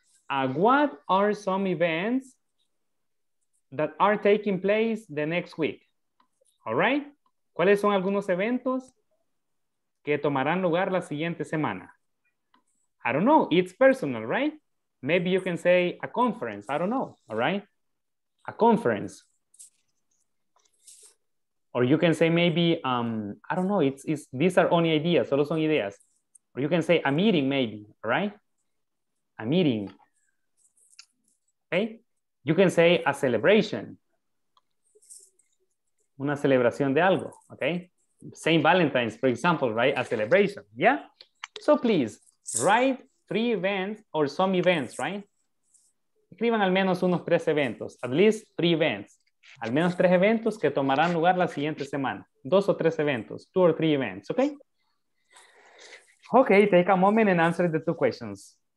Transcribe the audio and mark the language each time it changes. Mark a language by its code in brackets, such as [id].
[en] What are some events that are taking place the next week? All right? [es] ¿Cuáles son algunos eventos que tomarán lugar la siguiente semana? [en] I don't know. It's personal, right? Maybe you can say a conference. I don't know. All right? A conference. Or you can say maybe, I don't know. These are only ideas. [es] Solo son ideas. [en] Or you can say a meeting maybe, right? A meeting, okay? You can say a celebration. [es] Una celebración de algo, [en] okay? St. Valentine's, for example, right? A celebration, yeah? So please, write 3 events or some events, right? [es] Escriban al menos unos 3 eventos, [en] at least 3 events. [es] Al menos 3 eventos que tomarán lugar la siguiente semana. 2 o 3 eventos, [en] 2 or 3 events, okay? Okay, take a moment and answer the 2 questions.